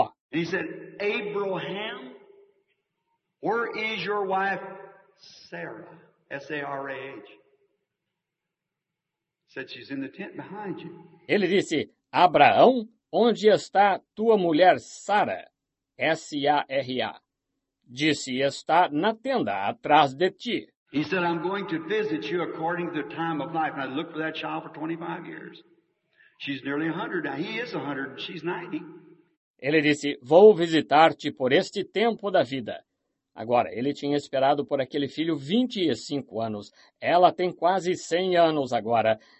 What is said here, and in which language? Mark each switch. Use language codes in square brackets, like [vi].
[en] And he said, Abraham, where is your wife, Sarah, S-A-R-A-H? Said she's in the tent behind you. [pt] Ele disse, Abraão, onde está tua mulher, Sara, S-A-R-A? Disse, está na tenda, atrás de ti. [en] He said, I'm going to visit you according to the time of life. And I looked for that child for 25 years. She's nearly 100 now. He is 100 and she's 90. [pt] Ele disse, vou visitar-te por este tempo da vida. Agora, ele tinha esperado por aquele filho 25 anos. Ela tem quase 100 anos agora.